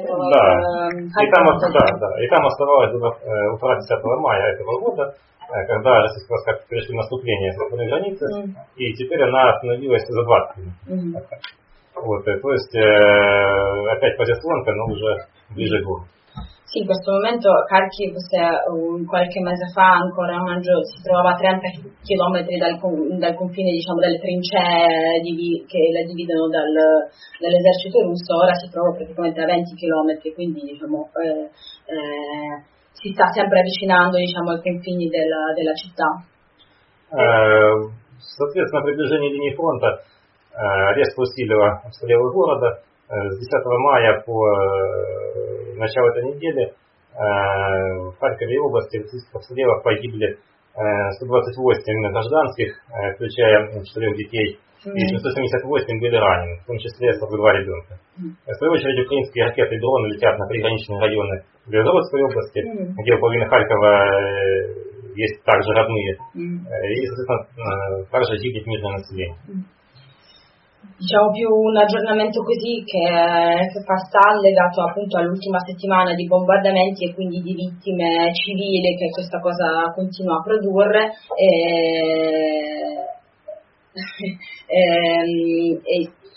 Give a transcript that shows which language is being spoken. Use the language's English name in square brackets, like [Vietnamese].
[Russian] Да, и там оставалось до утра 10 мая этого года, когда российские войска перешли наступление с западной границы, и теперь она остановилась за 20 км. То есть опять позиция фронта, но уже ближе к городу. [Italian] Sì, in questo momento Kharkiv, se qualche mese fa, ancora a maggio, si trovava a 30 km dal confine, diciamo, delle trincee che la dividono dall'esercito russo, ora si trova praticamente a 20 km, quindi diciamo, si sta sempre avvicinando, diciamo, ai confini della città. [Russian] Соответственно, приближение линии фронта резко усилило обстрелы города с 10 мая по начало этой недели в Харькове и области российских обстрелов погибли 128 гражданских, включая 4 детей, и 178 были ранены, в том числе 42 ребенка. В свою очередь украинские ракеты и дроны летят на приграничные районы Белгородской области, где у половины Харькова есть также родные, и, соответственно, также гибнет мирное население. [Italian] Diciamo più un aggiornamento così che fa stare legato appunto all'ultima settimana di bombardamenti e quindi di vittime civili che questa cosa continua a produrre e